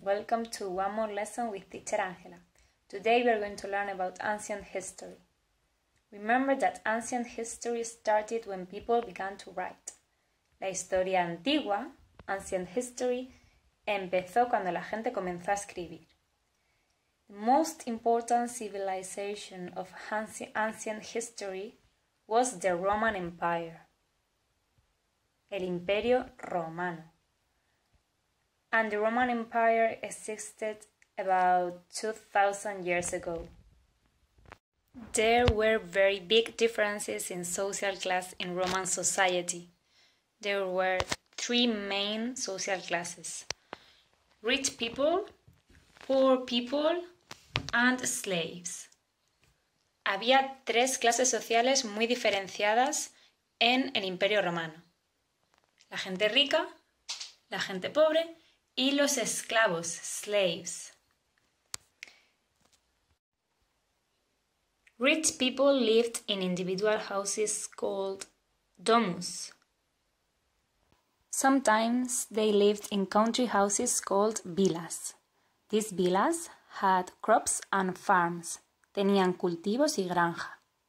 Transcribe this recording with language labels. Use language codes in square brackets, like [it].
[en] Welcome to one more lesson with Teacher Angela. Today we are going to learn about ancient history. Remember that ancient history started when people began to write. [es] La historia antigua, ancient history, empezó cuando la gente comenzó a escribir. [en] The most important civilization of ancient history was the Roman Empire. [es] El Imperio Romano. [en] And the Roman Empire existed about 2,000 years ago. There were very big differences in social class in Roman society. There were three main social classes: rich people, poor people, and slaves. [es] Había tres clases sociales muy diferenciadas en el Imperio Romano: la gente rica, la gente pobre, y los esclavos, slaves. [en] Rich people lived in individual houses called domus. Sometimes they lived in country houses called villas. These villas had crops and farms. [es] Tenían cultivos y granja.